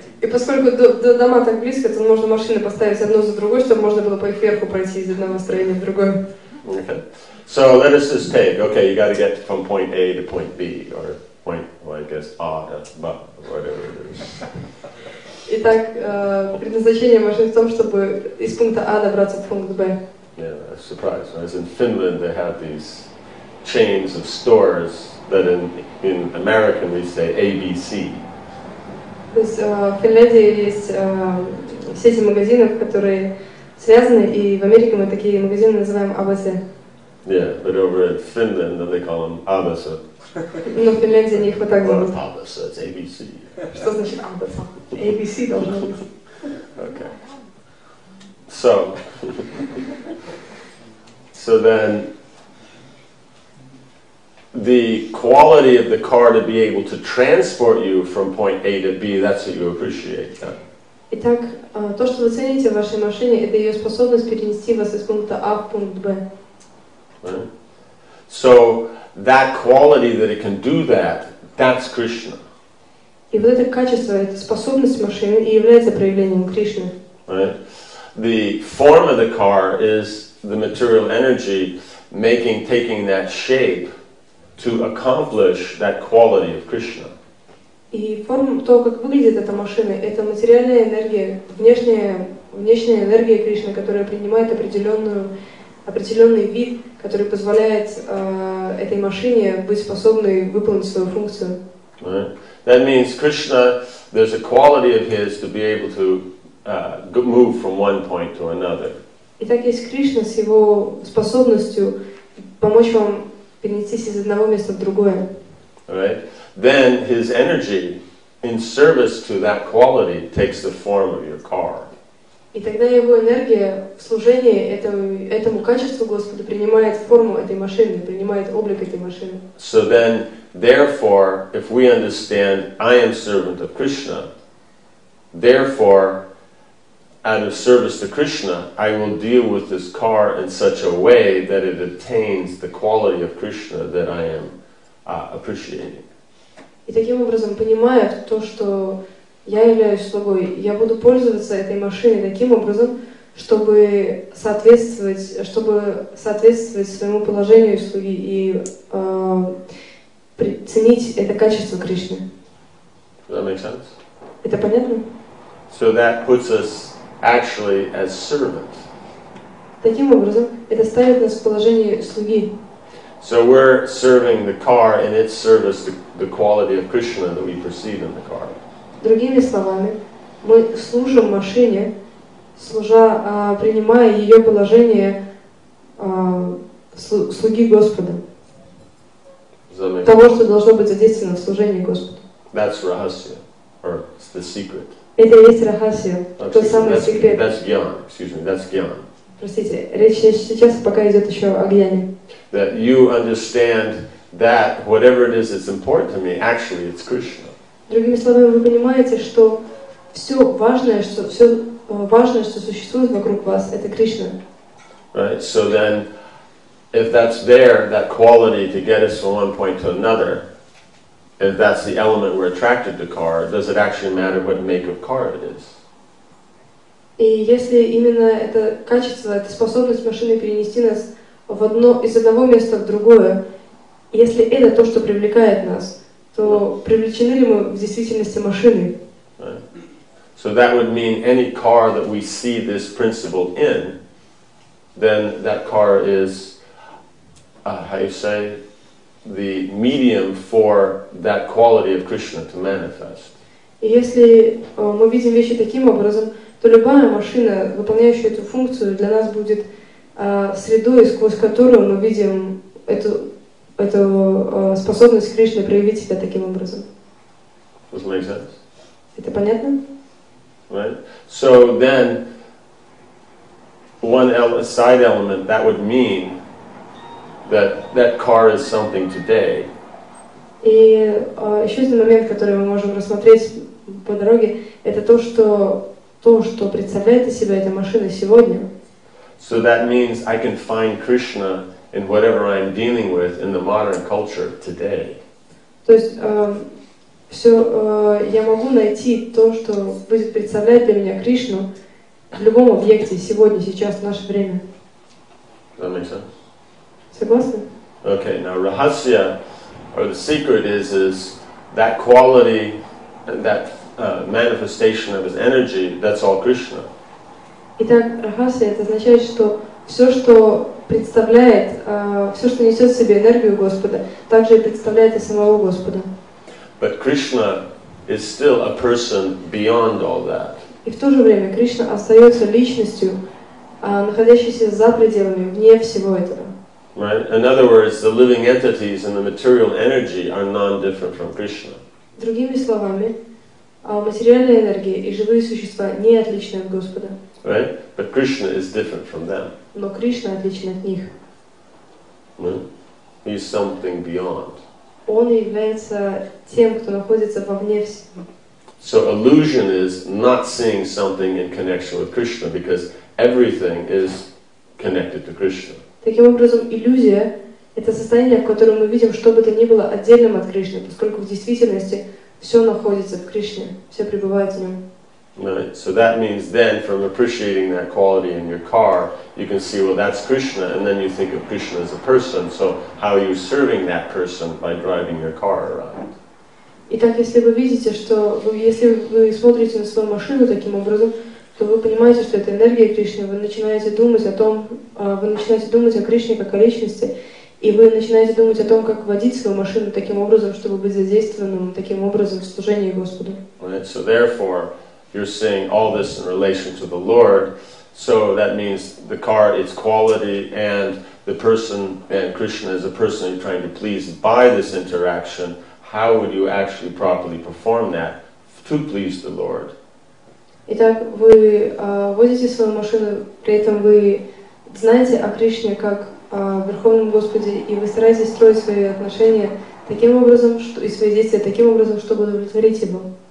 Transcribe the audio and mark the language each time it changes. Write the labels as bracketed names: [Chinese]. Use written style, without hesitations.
[Russian] И поскольку до дома так близко, то можно машины поставить одну за другой, чтобы можно было по их верху пройти из одного строения в другое. [English] Okay. So let us just take. Okay, you got to get from point A to point B, or point, well, I guess, A to B, whatever it is. [Russian] Итак, предназначение машины в том, чтобы из пункта А добраться в пункт Б. [English] Yeah, surprise. As in Finland, they have these chains of stores that in American we say ABC. [Russian] То есть в Финляндии есть сети магазинов, которые связаны, и в Америке мы такие магазины называем ABC. [English] Yeah, but over in Finland they call them ABC. [Russian] Но в Финляндии они их вот так зовут. [English] ABC, it's ABC. [Russian] Что значит ABC? ABC должно быть. [English] Okay. So then the quality of the car to be able to transport you from point A to B, that's what you appreciate. Yeah. [Russian] Итак, то, что вы цените в вашей машине, это ее способность перенести вас из пункта А в пункт Б. [English] Right. So, that quality that it can do that's Krishna. [Russian] И вот это качество, эта способность машины и является проявлением Кришны. [English] Right. The form of the car is the material energy taking that shape to accomplish that quality of Krishna. [Russian] И форма, то, как выглядит эта машина, это материальная энергия, внешняя внешняя энергия Кришны, которая принимает определенный вид, который позволяет этой машине быть способной выполнить свою функцию. [English] Right. That means Krishna, there's a quality of his to be able to move from one point to another. [Russian] Итак, есть Кришна с его способностью помочь вам перенестись из одного места в другое. [English] Right. Then his energy in service to that quality takes the form of your car. [Russian] И тогда его энергия в служении этому качеству Господа принимает форму этой машины, принимает облик этой машины. [English] So then, therefore, if we understand I am servant of Krishna, therefore, out of service to Krishna, I will deal with this car in such a way that it attains the quality of Krishna that I am appreciating. [Russian] И таким образом, понимая то, что я являюсь слугой, я буду пользоваться этой машиной таким образом, чтобы соответствовать своему положению слуги и ценить это качество Кришны. [English] Does that make sense? [Russian] Это понятно? [English] So that puts us actually as servants. [Russian] Таким образом, это ставит нас в положение слуги. [English] So we're serving the car in its service the quality of Krishna that we perceive in the car. [Russian] Другими словами, мы служим машине, принимая ее положение слуги Господа. Того, что должно быть задействовано в служении Господу. [English] That's rahasya, or it's the secret. [Russian] Это и есть рахасия, тот самый секрет. [English] That's gyan, excuse me, that's gyan. [Russian] Простите, речь сейчас пока идет еще о гьяне. [English] That you understand that whatever it is that's important to me, actually it's Krishna. [Russian] Другими словами, вы понимаете, что все важное, что существует вокруг вас, это Кришна. [English] Right. So then, if that's there, that quality to get us from one point to another, if that's the element we're attracted to car, does it actually matter what make of car it is? [Russian] И если именно это качество, эта способность машины перенести нас из одного места в другое, если это то, что привлекает нас, то привлечены ли мы в действительности машиной? [English] So that would mean any car that we see this principle in, then that car is, how you say, the medium for that quality of Krishna to manifest. [Russian] И если мы видим вещи таким образом, то любая машина, выполняющая эту функцию, для нас будет средой, сквозь которую мы видим эту способность Кришны проявить себя таким образом. [English] Does it make sense? [Russian] Это понятно? [English] Right. So then, side element, that would mean that car is something today. [Russian] И еще один момент, который мы можем рассмотреть по дороге, это то, что представляет из себя эта машина сегодня. [English] So that means I can find Krishna in whatever I'm dealing with in the modern culture today. [Russian] То есть я могу найти то, что будет представлять для меня Кришну в любом объекте сегодня, сейчас, в наше время. [English] Does that make sense? [Russian] Согласны? [English] Okay, now rahasya, or the secret is that quality, that manifestation of his energy, that's all Krishna. [Russian] Итак, rahasya, это означает, что все, что представляет, все, что несет в себе энергию Господа, также представляет и самого Господа. [English] But Krishna is still a person beyond all that. [Russian] И в то же время Кришна остается личностью, находящейся за пределами, вне всего этого. [English] Right? In other words, the living entities and the material energy are non-different from Krishna. [Russian] Другими словами, материальная энергия и живые существа не отличны от Господа. [English] Right? But Krishna is different from them. [Russian] Но Кришна отличен от них. [English] Right? He's something beyond. [Russian] Он является тем, кто находится вовне всего. [English] So illusion is not seeing something in connection with Krishna, because everything is connected to Krishna. [Russian] Таким образом, иллюзия — это состояние, в котором мы видим, что бы то ни было отдельным от Кришны, поскольку в действительности все находится в Кришне, все пребывает в нем. [English] Right. So that means then, from appreciating that quality in your car, you can see, well, that's Krishna, and then you think of Krishna as a person. So how are you serving that person by driving your car around? [Russian] Итак, если вы видите, если вы смотрите на свою машину таким образом, то вы понимаете, что это энергия Кришны, вы начинаете думать о том, вы начинаете думать о Кришне как о личности, и вы начинаете думать о том, как водить свою машину таким образом, чтобы быть задействованным таким образом в служении Господу. [English] Right. So therefore, you're saying all this in relation to the Lord. So that means the car, its quality, and the person, and Krishna is a person you're trying to please by this interaction. How would you actually properly perform that to please the Lord? [Russian] Итак, вы водите свою машину, при этом вы знаете о Кришне как о Верховном Господе, и вы стараетесь строить свои отношения таким образом, что, и свои действия таким образом, чтобы удовлетворить Его.